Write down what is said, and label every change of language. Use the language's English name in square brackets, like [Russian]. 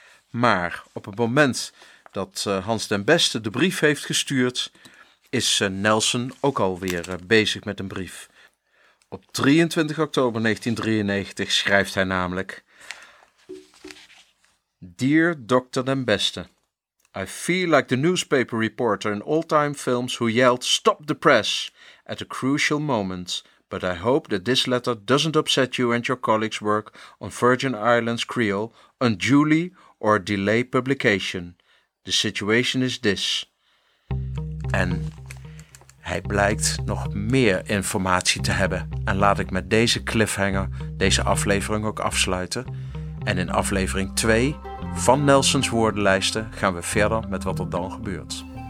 [Dutch] Maar op het moment dat Hans den Bessen de brief heeft gestuurd, is Nelson ook alweer bezig met een brief. Op 23 oktober 1993 schrijft hij namelijk: [English] Dear Dr. den Bessen, I feel like the newspaper reporter in old-time films who yelled, stop the press, at a crucial moment, but I hope that this letter doesn't upset you and your colleagues' work on Virgin Islands Creole unduly or delay publication. The situation is this. [Dutch] En hij blijkt nog meer informatie te hebben. En laat ik met deze cliffhanger deze aflevering ook afsluiten. En in aflevering 2 van Nelsons woordenlijsten gaan we verder met wat er dan gebeurt.